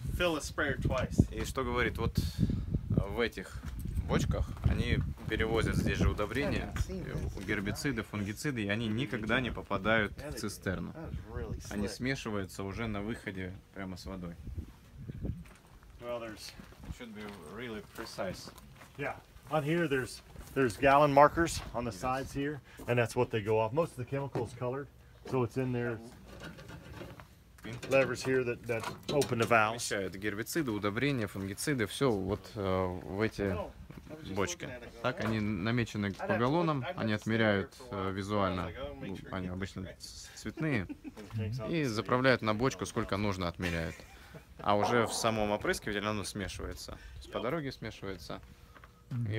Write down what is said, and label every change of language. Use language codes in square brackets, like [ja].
[en] Fill a sprayer twice. [ru] И что говорит, вот в этих бочках они перевозят здесь же удобрения, гербициды, фунгициды, и они никогда не попадают в цистерну. Они смешиваются уже на выходе прямо с водой. [en] Well, should be really precise. Yeah. On here there's gallon markers on the sides here, and that's what they go off. Most of the chemicals colored, so it's in there. Levers here that open the valves. [ru] Помещают гербициды, удобрения, фунгициды, все вот в эти бочки. Так, они намечены по галлонам, они отмеряют визуально, они обычно цветные, и заправляют на бочку, сколько нужно отмеряют. А уже в самом опрыскивателе оно смешивается, по дороге смешивается, и